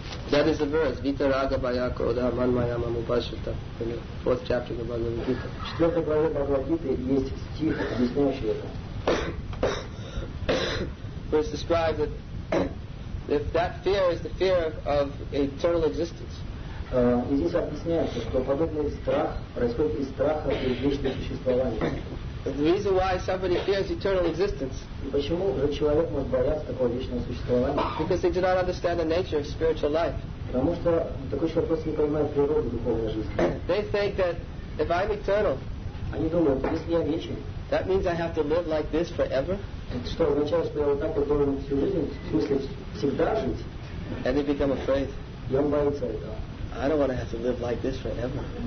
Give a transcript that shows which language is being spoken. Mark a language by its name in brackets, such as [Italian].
[English] That is the verse, Vita Raga Bayaka Oda Man Mayama Mubashita, in the fourth chapter of the Bhagavad Gita. Where it's described that if that fear is the fear of eternal existence. [Russian] И здесь объясняется, что подобный страх происходит из страха перед вечным существованием. [English] The reason why somebody fears eternal existence. [Russian] И почему же человек может бояться такого вечного существования? [English] Because they do not understand the nature of spiritual life. [Russian] Потому что такой человек просто не понимает природу духовной жизни. [English] They think that if I'm eternal, [Russian] они думают, если я вечен, [English] that means I have to live like this forever. [Russian] Это что означает, что я вот так вот должен всю жизнь, в смысле всегда жить? [English] And they become afraid. [Russian] И он боится этого. [English] I don't want to have to live like this forever.